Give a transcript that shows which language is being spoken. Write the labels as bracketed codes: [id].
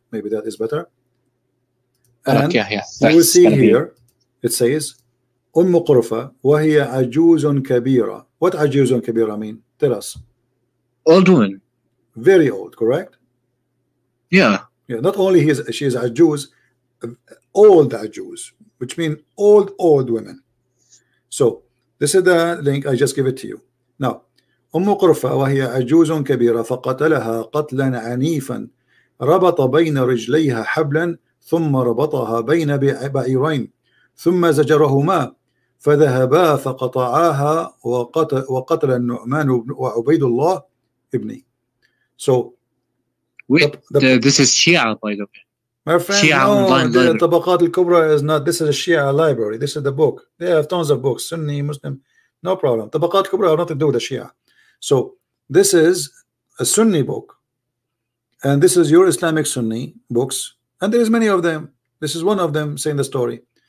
[en] Maybe that is better. And you will see here, it says, Ummu Qurfa, [ar] wa hiya ajuzun kabira. [en] What [ar] ajuzun kabira [en] mean? Tell us. Old woman. Very old, correct? Yeah. Yeah. Not only she is ajuz, old ajuz, which means old women. So this is the link. I just give it to you. Now, [ar] أم قرفة وهي عجوز كبيرة فقتلها قتلا عنيفا ربط بين رجليها حبلا ثم ربطها بين بعيرين ثم زجرهما فذهبا فقطعاها وقتل النعمان وعبيد الله ابني. [en] So this is Shia, by the way. My friend, Shia the طبقات الكبرى is not, this is a Shia library, this is the book. They have tons of books, Sunni, Muslim, no problem. طبقات الكبرى have nothing to do with the Shia. So this is a Sunni book, and this is your Islamic Sunni books, and there is many of them. This is one of them saying the story.